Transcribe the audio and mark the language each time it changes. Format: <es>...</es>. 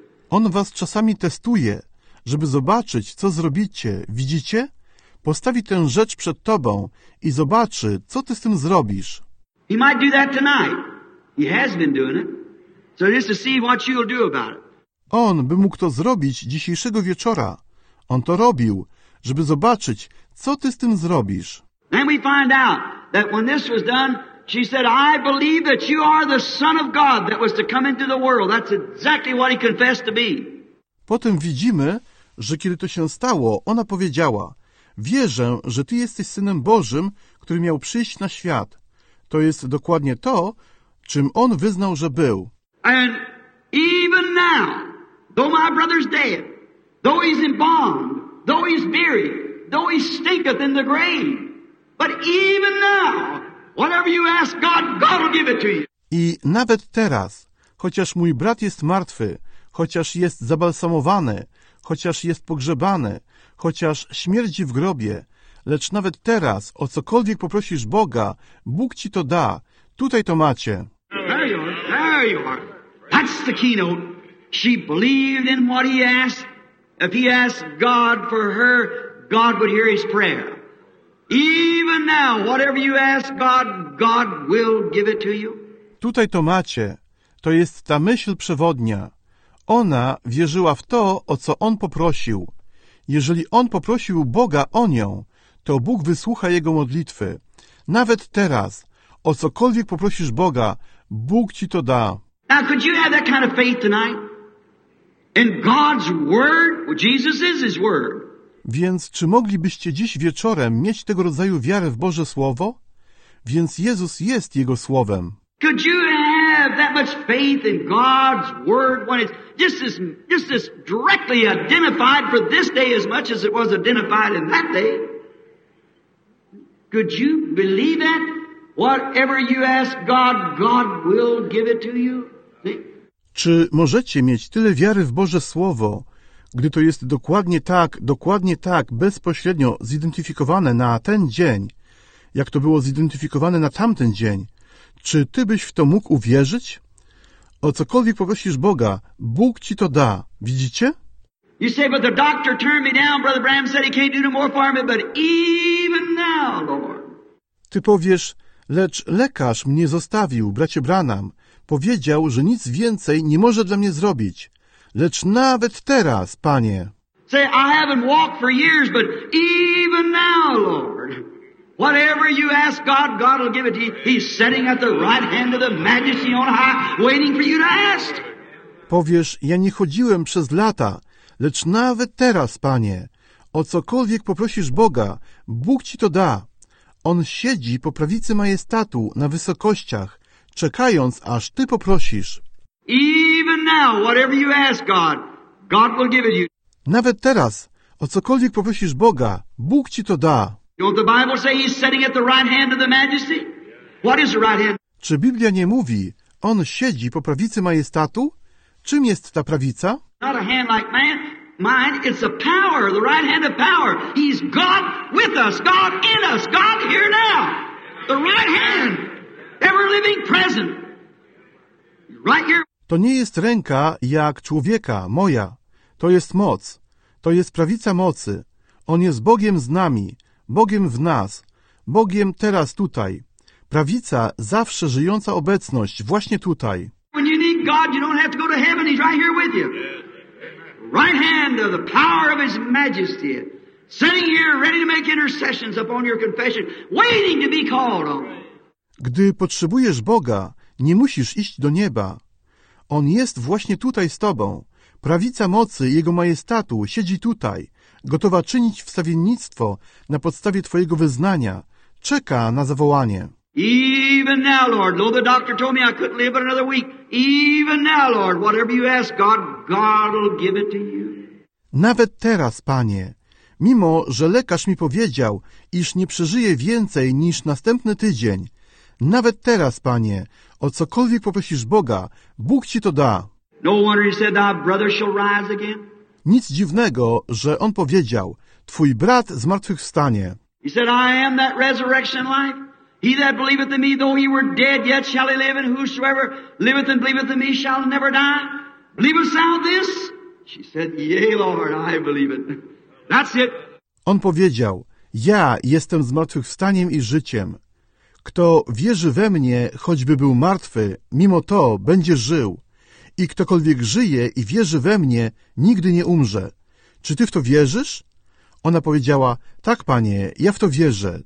<pl>On was czasami testuje, żeby zobaczyć, co zrobicie. Widzicie? Postawi tę rzecz przed tobą i zobaczy, co ty z tym zrobisz.</pl> <en>He might do that tonight. He has been doing it. So just to see what you'll do about it.</en> <pl>On by mógł to zrobić dzisiejszego wieczora. On to robił, żeby zobaczyć, co ty z tym zrobisz.</pl> <en>Then we find out that when this was done, she said, I believe that you are the Son of God that was to come into the world. That's exactly what he confessed to be.</en> <pl>Potem widzimy, że kiedy to się stało, ona powiedziała: wierzę, że Ty jesteś Synem Bożym, który miał przyjść na świat. To jest dokładnie to, czym on wyznał, że był.</pl> <en>And even now, though my brother's dead, though he's embalmed, though he's buried, though he stinketh in the grave, but even now, whatever you ask God, God will give it to you.</en> <pl>I nawet teraz, chociaż mój brat jest martwy, chociaż jest zabalsamowany, chociaż jest pogrzebany, chociaż śmierdzi w grobie, lecz nawet teraz, o cokolwiek poprosisz Boga, Bóg ci to da. Tutaj to macie.</pl> <en>There you are, there you are. That's the keynote. She believed in what he asked. If he asked God for her, God would hear his prayer. Even now, whatever you ask God, God will give it to you.</en> <pl>Tutaj to macie. To jest ta myśl przewodnia. Ona wierzyła w to, o co on poprosił. Jeżeli on poprosił Boga o nią, to Bóg wysłucha jego modlitwy. Nawet teraz, o cokolwiek poprosisz Boga, Bóg ci to da.</pl> <en>Now, could you have that kind of faith tonight? In God's word? Well, Jesus is his word.</en> <pl>Więc czy moglibyście dziś wieczorem mieć tego rodzaju wiarę w Boże Słowo? Więc Jezus jest jego Słowem.</pl> <en>Could you have that much faith in God's word when it's just as directly identified for this day as much as it was identified in that day? Could you believe that? Whatever you ask God, God will give it to you.</en> <pl>Czy możecie mieć tyle wiary w Boże Słowo, gdy to jest dokładnie tak, bezpośrednio zidentyfikowane na ten dzień, jak to było zidentyfikowane na tamten dzień? Czy ty byś w to mógł uwierzyć? O cokolwiek poprosisz Boga, Bóg ci to da. Widzicie?</pl> <en>You say, but the doctor turned me down. Brother Bram said he can't do no more for me, but even now, Lord.</en> <pl>Ty powiesz, lecz lekarz mnie zostawił, bracie Branham. Powiedział, że nic więcej nie może dla mnie zrobić. Lecz nawet teraz, Panie.</pl> <en>Say, I haven't walked for years, but even now, Lord. Whatever you ask God, God will give it to you. He's sitting at the right hand of the majesty on high, waiting for you to ask.</en> <pl>Powiesz, ja nie chodziłem przez lata, lecz nawet teraz, Panie. O cokolwiek poprosisz Boga, Bóg ci to da. On siedzi po prawicy majestatu na wysokościach, czekając, aż ty poprosisz.</pl> <en>Even now, whatever you ask God, God will give it you.</en> <pl>Nawet teraz, o cokolwiek poprosisz Boga, Bóg ci to da.</pl> <en>Don't the Bible say he's sitting at the right hand of the majesty? What is the right hand?</en> <pl>Czy Biblia nie mówi, on siedzi po prawicy majestatu? Czym jest ta prawica?</pl> <en>Not a hand like man. Mine, it's a power, the right hand of power. He's God with us, God in us, God here now. The right hand, ever living present. Right here.</en> <pl>To nie jest ręka jak człowieka, moja. To jest moc. To jest prawica mocy. On jest Bogiem z nami, Bogiem w nas, Bogiem teraz tutaj. Prawica, zawsze żyjąca obecność, właśnie tutaj.</pl> <en>When you need God, you don't have to go to heaven. He's right here with you. Right hand of the power of his majesty, sitting here ready to make intercessions upon your confession, waiting to be called on.</en> <pl>Gdy potrzebujesz Boga, nie musisz iść do nieba. On jest właśnie tutaj z tobą. Prawica mocy jego majestatu siedzi tutaj, gotowa czynić wstawiennictwo na podstawie twojego wyznania. Czeka na zawołanie.</pl> <en>Even now, Lord, though the doctor told me I couldn't live but another week, even now, Lord, whatever you ask God, God will give it to you.</en> <pl>Nawet teraz, Panie, mimo że lekarz mi powiedział, iż nie przeżyje więcej niż następny tydzień, nawet teraz, Panie, o cokolwiek poprosisz Boga, Bóg ci to da.</pl> <en>No wonder he said, thy brother shall rise again.</en> <pl>Nic dziwnego, że on powiedział, twój brat zmartwychwstanie.</pl> <en>He said, I am that resurrection life. He that believeth in me, though he were dead, yet shall he live, and whosoever liveth and believeth in me shall never die. Believest thou this? She said, yea, Lord, I believe it. That's it.</en> <pl>On powiedział, ja jestem zmartwychwstaniem i życiem. Kto wierzy we mnie, choćby był martwy, mimo to będzie żył. I ktokolwiek żyje i wierzy we mnie, nigdy nie umrze. Czy ty w to wierzysz? Ona powiedziała, tak, Panie, ja w to wierzę.</pl>